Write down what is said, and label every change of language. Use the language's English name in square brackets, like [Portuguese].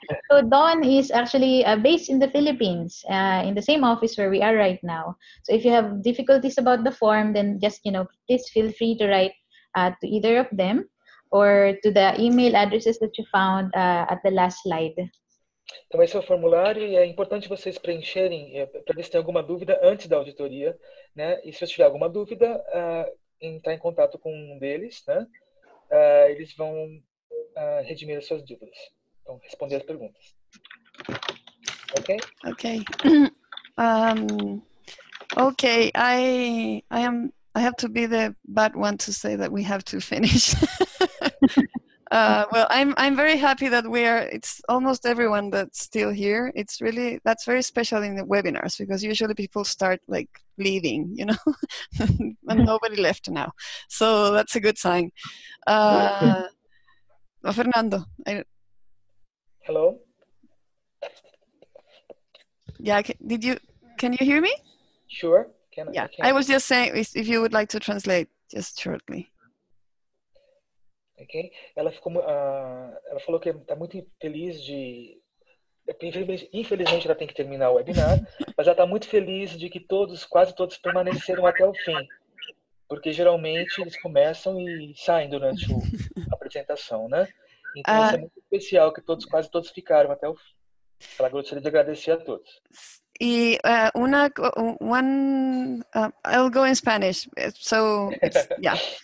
[English] So Dawn is actually based in the Philippines, in the same office where we are right now. So if you have difficulties about the form, then just, you know, please feel free to write to either of them or to the email addresses that you found at the last slide. [Portuguese] Então, esse é o formulário e é importante vocês preencherem para ver se tem alguma dúvida antes da auditoria, né? E se você tiver alguma dúvida, entrar em contato com um deles, né? Eles vão redimir as suas dúvidas. Então, responder as perguntas. Ok? Ok. [English] Ok, I have to be the bad one to say that we have to finish. well, I'm very happy that we are, it's almost everyone that's still here. It's really, that's very special in the webinars because usually people start like leaving, you know, and nobody left now. So that's a good sign. Fernando. Hello. Yeah, can you hear me? Sure. I was just saying, if you would like to translate just shortly. [Portuguese] Ok, ela ficou, ela falou que está muito feliz de, infelizmente ela tem que terminar o webinar, mas ela está muito feliz de que todos, quase todos permaneceram até o fim, porque geralmente eles começam e saem durante a apresentação, né? Então isso é muito especial que todos, quase todos ficaram até o fim. Ela gostaria de agradecer a todos. [English] Y I'll go in Spanish, so it's, yeah.